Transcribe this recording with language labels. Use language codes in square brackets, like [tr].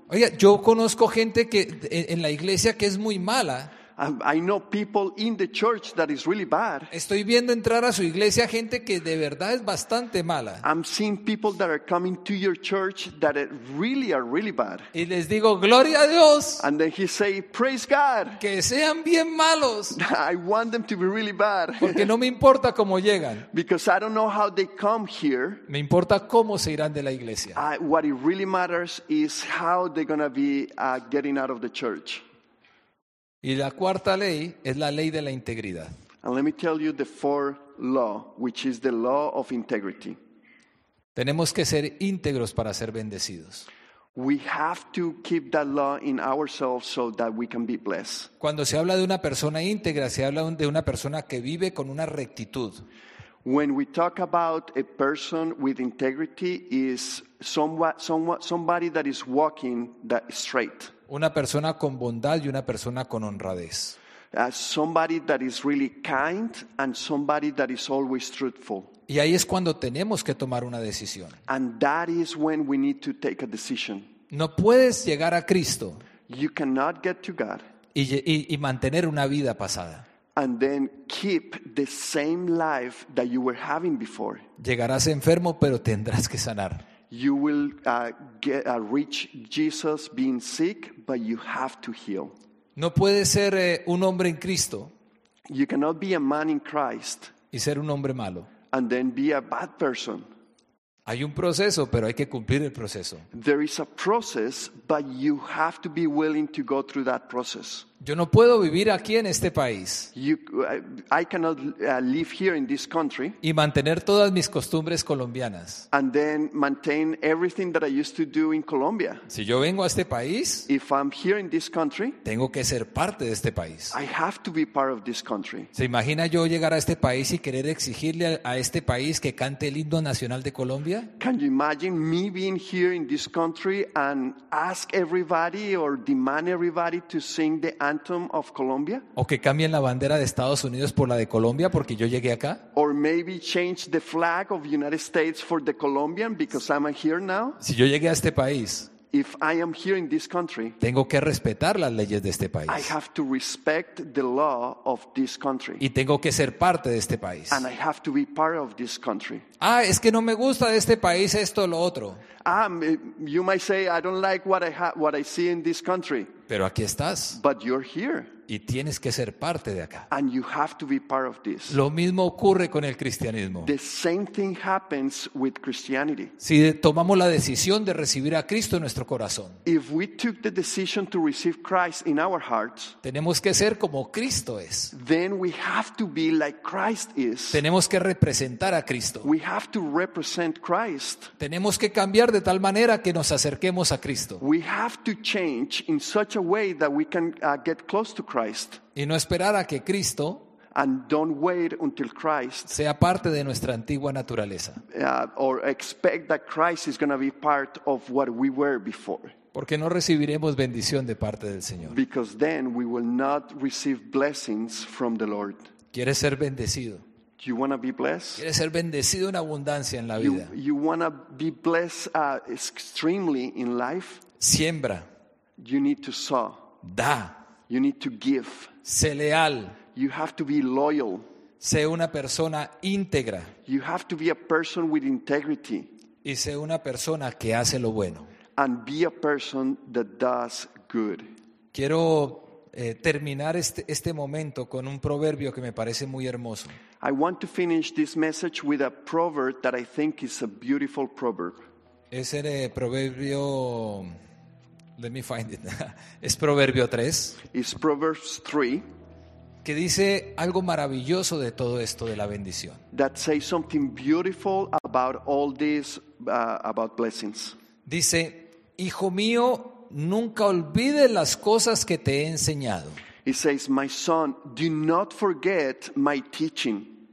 [es] oye, yo conozco gente que en la iglesia que es muy mala. [en] I know people in the church that is really bad. [es] Estoy viendo entrar a su iglesia gente que de verdad es bastante mala. [en] I'm seeing people that are coming to your church that really are really bad. [es] Y les digo, gloria a Dios. [en] And then he say, praise God. [es] Que sean bien malos. [en] I want them to be really bad. [es] Porque no me importa cómo llegan. [en] Because I don't know how they come here. [es] Me importa cómo se irán de la iglesia. [en] What it really matters is how they're gonna be getting out of the church. [es] Y la cuarta ley es la ley de la integridad. [en] And let me tell you the fourth law, which is the law of integrity. [es] Tenemos que ser íntegros para ser bendecidos. [en] We have to keep that law in ourselves so that we can be blessed. [es] Cuando se habla de una persona íntegra, se habla de una persona que vive con una rectitud. [en] When we talk about a person with integrity, is somebody that is walking that straight. [es] Una persona con bondad y una persona con honradez. [en] Somebody that is really kind and somebody that is always truthful. [es] Y ahí es cuando tenemos que tomar una decisión. [en] And that is when we need to take a decision. [es] No puedes llegar a Cristo. [en] You cannot get to God. [es] Y mantener una vida pasada. [en] And then keep the same life that you were having before. [es] Llegarás enfermo, pero tendrás que sanar. [en] You will reach Jesus being sick, but you have to heal. [es] No puede ser un hombre en Cristo. [en] You cannot be a man in Christ. [es] Y ser un hombre malo. [en] And then be a bad person. [es] Hay un proceso, pero hay que cumplir el proceso. [en] There is a process, but you have to be willing to go through that process. [es] Yo no puedo vivir aquí en este país. [en] I cannot live here in this country. [es] Y mantener todas mis costumbres colombianas. [en] And then maintain everything that I used to do in Colombia. [es] Si yo vengo a este país, [en] if I'm here in this country, [es] tengo que ser parte de este país. [en] I have to be part of this country. [es] ¿Se imagina yo llegar a este país y querer exigirle a este país que cante el himno nacional de Colombia? [en] Can you imagine me being here in this country and ask everybody or demand everybody to sing the anthem of Colombia? [es] O que cambien la bandera de Estados Unidos por la de Colombia porque yo llegué acá. [en] Or maybe change the flag of United States for the Colombian because I'm here now. [es] Si yo llegué a este país, [en] if I am here in this country, [es] tengo que respetar las leyes de este país. [en] I have to respect the law of this country. [es] Y tengo que ser parte de este país. [en] And I have to be part of this country. [es] Ah, es que no me gusta de este país esto o lo otro. [en] You might say I don't like what I see in this country. [es] Pero aquí estás. [en] But you're here. [es] Y tienes que ser parte de acá. [en] And you have to be part of this. [es] Lo mismo ocurre con el cristianismo. [en] The same thing happens with Christianity. [es] Si tomamos la decisión de recibir a Cristo en nuestro corazón, [en] if we took the decision to receive Christ in our hearts, [es] tenemos que ser como Cristo es. [en] Then we have to be like Christ is. [es] Tenemos que representar a Cristo. [en] We have to represent Christ. [es] Tenemos que cambiar de tal manera que nos acerquemos a Cristo. [en] We have to change in such a way that we can get close to Christ. [es] Y no esperar a que Cristo, [en] and don't wait until Christ, [es] sea parte de nuestra antigua naturaleza. [en] Or expect that Christ is going to be part of what we were before. [es] Porque no recibiremos bendición de parte del Señor. [en] Because then we will not receive blessings from the Lord. [es] ¿Quieres ser bendecido? [en] You want to be blessed? [es] ¿Quieres ser bendecido en abundancia en la vida? [en] You want to be blessed extremely in life? [es] Siembra. [en] You need to sow. [es] Da. [en] You need to give. [es] Sé leal. [en] You have to be loyal. [es] Sé una persona íntegra. [en] You have to be a person with integrity. [es] Y sé una persona que hace lo bueno. [en] And be a person that does good. [es] Quiero terminar este momento con un proverbio que me parece muy hermoso. [en] I want to finish this message with a proverb that I think is a beautiful proverb. [es] Es el proverbio. [en] Let me find it. [es] Es Proverbio 3. [en] It's Proverbs 3. [es] Que dice algo maravilloso de todo esto de la bendición. [en] That says something beautiful about all this, about blessings. [es] Dice, hijo mío, nunca olvides las cosas que te he enseñado. [en] It says, my son, do not forget my teaching.